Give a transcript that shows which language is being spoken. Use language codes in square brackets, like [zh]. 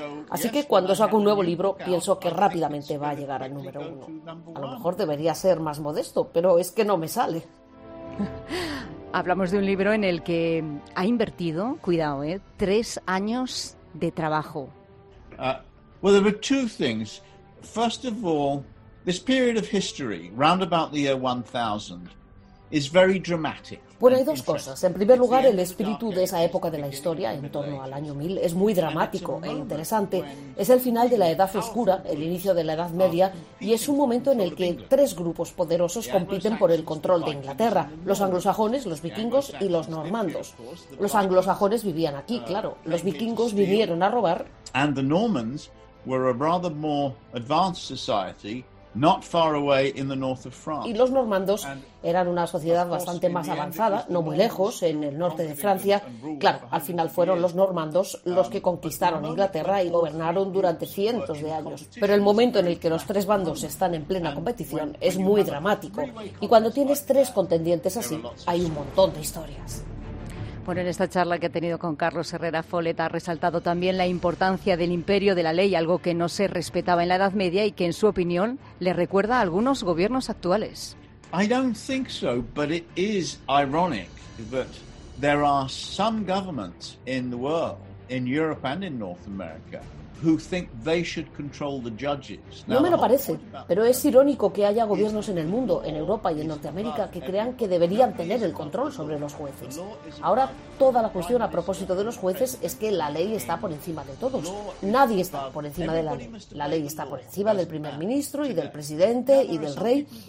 [es] Así que cuando saco un nuevo libro, pienso que rápidamente va a llegar al número uno. A lo mejor debería ser más modesto, pero es que no me sale. Hablamos de un libro en el que ha invertido, cuidado, 3 años de trabajo. [en] Well, there were two things. First of all, this period of history, round about the year 1000, is very dramatic. [es] Bueno, hay dos cosas. En primer lugar, el espíritu de esa época de la historia, en torno al año 1000, es muy dramático e interesante. Es el final de la Edad Oscura, el inicio de la Edad Media, y es un momento en el que tres grupos poderosos compiten por el control de Inglaterra: los anglosajones, los vikingos y los normandos. Los anglosajones vivían aquí, claro. Los vikingos vinieron a robar. [en] And the Normans were a rather more advanced society. Not far away in the north of France. [es] Y los normandos eran una sociedad bastante más avanzada, no muy lejos, en el norte de Francia. Claro, al final fueron los normandos los que conquistaron Inglaterra y gobernaron durante cientos de años. Pero el momento en el que los tres bandos están en plena competición es muy dramático. Y cuando tienes tres contendientes así, hay un montón de historias. Bueno, en esta charla que he tenido con Carlos Herrera Follett ha resaltado también la importancia del imperio de la ley, algo que no se respetaba en la Edad Media y que, en su opinión, le recuerda a algunos gobiernos actuales. [en] I don't think so, but it is ironic that there are some governments in the world, in Europe and in North America, who think they should control the judges. [es] No me lo parece, pero es irónico que haya gobiernos en el mundo, en Europa y en Norteamérica, que crean que deberían tener el control sobre los jueces. Ahora, toda la cuestión a propósito de los jueces es que la ley está por encima de todos. Nadie está por encima de la ley. La ley está por encima del primer ministro y del presidente y del rey.